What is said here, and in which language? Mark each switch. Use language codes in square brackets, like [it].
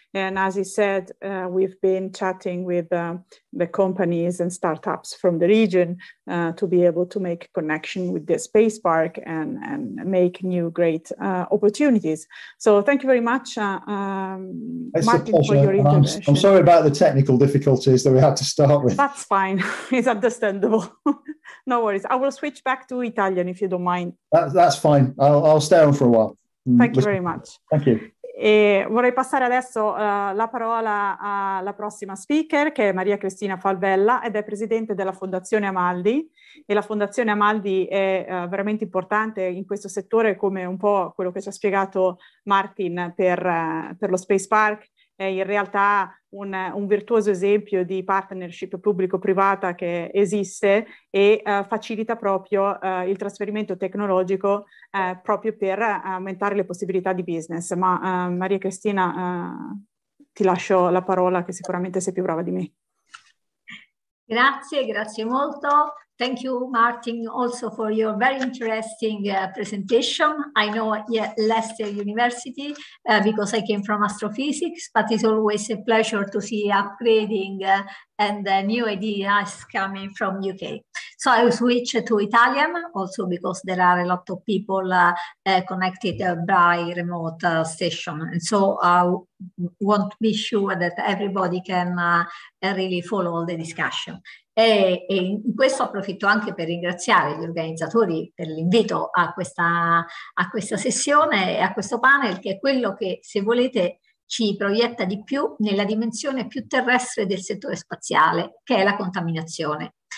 [en] And as he said, we've been chatting with the companies and startups from the region to be able to make connection with the space park and make new great opportunities. So thank you very much, it's Martin, a pleasure. For your intervention. I'm sorry about the technical difficulties that we had to start with. That's fine. It's understandable. No worries. I will switch back to Italian, if you don't mind. That's fine. I'll stay on for a while. Thank you very much. Thank you. [it] E vorrei passare adesso la parola alla prossima speaker, che è Maria Cristina Falvella ed è presidente della Fondazione Amaldi. E la Fondazione Amaldi è veramente importante in questo settore, come un po' quello che ci ha spiegato Martin per lo Space Park. È in realtà un virtuoso esempio di partnership pubblico-privata che esiste e facilita proprio il trasferimento tecnologico proprio per aumentare le possibilità di business. Ma Maria Cristina, ti lascio la parola, che sicuramente sei più brava di me. Grazie, grazie molto. [en] Thank you, Martin, also for your very interesting presentation. I know Leicester University because I came from astrophysics, but it's always a pleasure to see upgrading and new ideas coming from UK. So I will switch to Italian also because there are a lot of people connected by remote station. And so I want to be sure that everybody can really follow all the discussion. [it] E in questo approfitto anche per ringraziare gli organizzatori per l'invito a questa sessione e a questo panel, che è quello che, se volete, ci proietta di più nella dimensione più terrestre del settore spaziale, che è la contaminazione.